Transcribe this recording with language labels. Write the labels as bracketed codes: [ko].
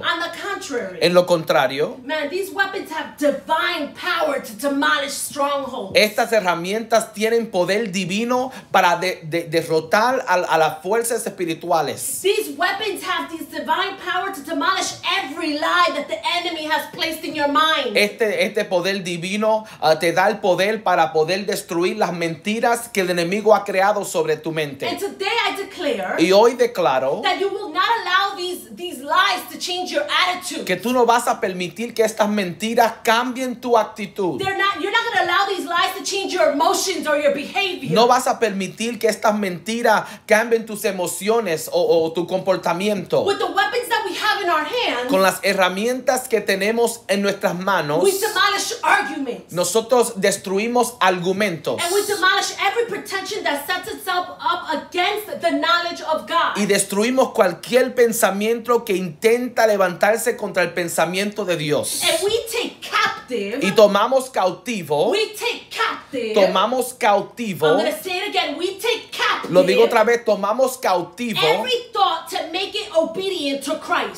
[en] On the contrary. [es] En lo contrario. [en] Man, these weapons have divine power to demolish strongholds. [es] Estas herramientas tienen poder divino para derrotar a las fuerzas espirituales. [en] These weapons have this divine power to demolish every lie that the enemy has placed in your mind. [es] Este poder divino te da el poder para poder destruir las mentiras que el enemigo ha creado sobre tu mente. [en] And today I declare, [es] y hoy declaro, [en] that you will not allow these lies to change your attitude. [es] Que tú no vas a permitir que estas mentiras cambien tu actitud. [en] You're not going to allow these lies to change your emotions or your behavior. [es] No vas a permitir que estas mentiras cambien tus emociones o tu comportamiento. [en] With the weapons that we have in our hands, [es] con las herramientas que tenemos en nuestras manos, [en] we demolish arguments. [es] Nosotros destruimos argumentos. [en] And we demolish every pretension that sets itself up against the knowledge of God. [es] Y destruimos cualquier pensamiento que intenta levantarse contra el pensamiento de Dios. [en] And we take captive. [es] Y tomamos cautivo. [en] We take captive. [es] Tomamos cautivo. [en] I'm going to say it again. We take captive. [es] Lo digo otra vez. Tomamos cautivo. [en] Every thought to make it obedient to Christ.